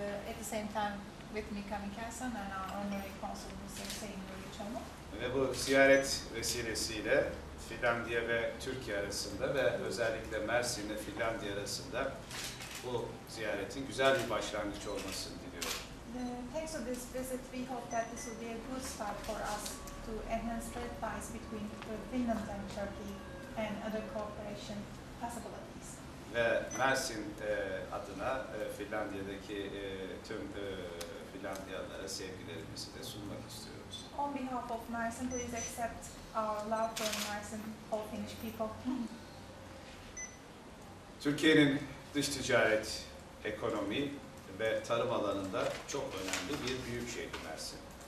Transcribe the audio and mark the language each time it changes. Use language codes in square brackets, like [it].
[en] At the same time with Mika Mikkelson and our honorary consul, Sayın Nuri Çoğlu. [tr] Ve bu ziyaret vesilesiyle Finlandiya ve Türkiye arasında ve özellikle Mersin ile Finlandiya arasında bu ziyaretin güzel bir başlangıç olmasını diliyorum. [en] Thanks for this visit. We hope that this will be a good start for us to enhance trade ties between Finland and Turkey and other cooperation possibilities. [tr] Ve Mersin adına Finlandiya'daki tüm Finlandiyalılara sevgilerimizi de sunmak istiyorum. [en] On behalf of Mersin, please accept our love for Mersin, all Finnish people. [tr] Türkiye'nin dış ticaret, ekonomi ve tarım alanında çok önemli bir büyük şehri Mersin.